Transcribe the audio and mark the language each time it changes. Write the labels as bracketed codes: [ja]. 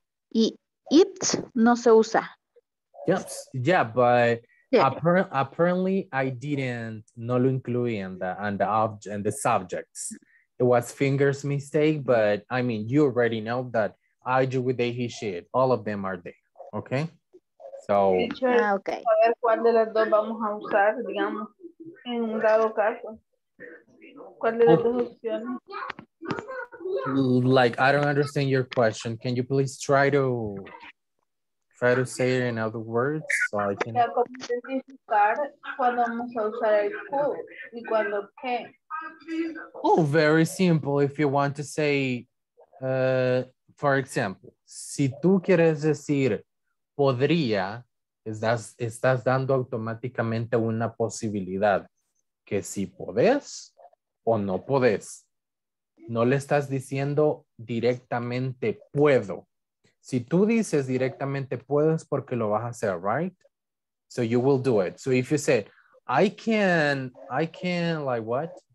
[es] Y [en] it [es] no se usa. [en] Yes. Yeah, but yeah. Apparently I didn't [es] no lo incluí [en] in the subjects. It was fingers mistake, but I mean, you already know that I do with they, he, she, it. All of them are there, okay? So, okay. [es] A ver cuál de las dos vamos a usar, digamos, en un dado caso. ¿Cuál de las dos opciones? [en] Like, I don't understand your question. Can you please try to say it in other words? So I can... [es] ¿Cuándo vamos a usar el could y cuándo qué? [en] Oh, very simple. If you want to say, for example, [es] si tú quieres decir podría, estás dando automáticamente una posibilidad que si podés o no podés. No le estás diciendo directamente puedo. Si tú dices directamente puedes porque lo vas a hacer, [en] right? So you will do it. So if you say, I can, like what?